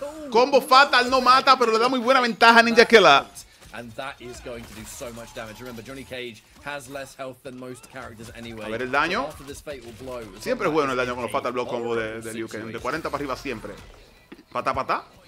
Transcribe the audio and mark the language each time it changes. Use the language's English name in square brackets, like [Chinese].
[Spanish] Combo Fatal no mata, pero le da muy buena ventaja a Ninja Killa. [English] And that is going to do so much damage. Remember, Johnny Cage has less health than most characters anyway. [Spanish] A ver el daño. Siempre es bueno el daño con los Fatal Blow combo de Liu Kang. De 40 para arriba siempre. Pata, pata.